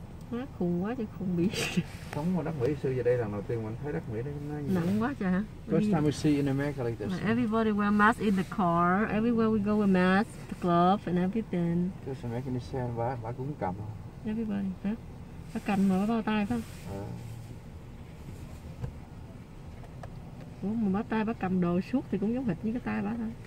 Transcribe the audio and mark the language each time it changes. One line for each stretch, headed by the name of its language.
Vietnamese: Má khùng quá chứ không biết. Sống ở Đắc Mỹ xưa giờ đây lần đầu tiên mình thấy Đắc Mỹ đây nó như nặng quá chả.
English: First time we see in America like this. Everybody wear mask in the car. Everywhere we go wear mask, the glove and everything. This is making me sad.
Vietnamese: Bà cũng cầm.
English: Everybody.
Vietnamese: Bà cầm mà bà bao tay không? Ủa mà bắt tay bắt cầm đồ suốt thì cũng giống hệt như cái tay bắt thôi.